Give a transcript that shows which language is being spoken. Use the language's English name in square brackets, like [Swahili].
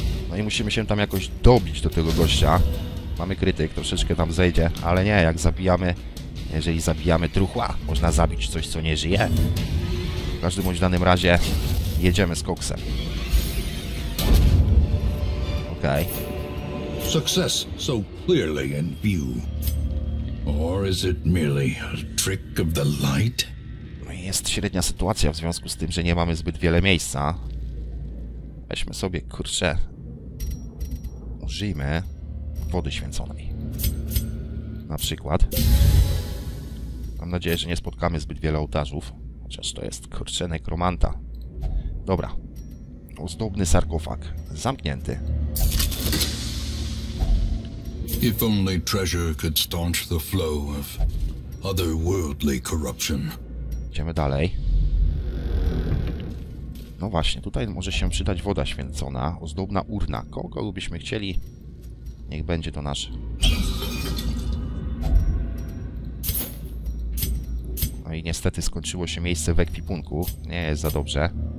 [Polish] No i musimy się tam jakoś dobić do tego gościa. Mamy krytyk, troszeczkę tam zejdzie, ale nie, jak zabijamy, jeżeli zabijamy truchła, można zabić coś, co nie żyje. W każdym bądź danym razie jedziemy z koksem. Okej. [English] Success so clearly in view. Or is it merely a trick of the light? [Polish] Jest średnia sytuacja w związku z tym, że nie mamy zbyt wiele miejsca. Weźmy sobie, kurczę, użyjmy wody święconej. Na przykład. Mam nadzieję, że nie spotkamy zbyt wiele ołtarzów. Chociaż to jest, kurczę, nekromanta. Dobra. Ozdobny sarkofag. Zamknięty. [English] If only treasure could staunch the flow of otherworldly corruption. [Polish] Idziemy dalej. No właśnie, tutaj może się przydać woda święcona, ozdobna urna. Kogo byśmy chcieli, niech będzie to nasz. No i niestety skończyło się miejsce w ekwipunku. Nie jest za dobrze.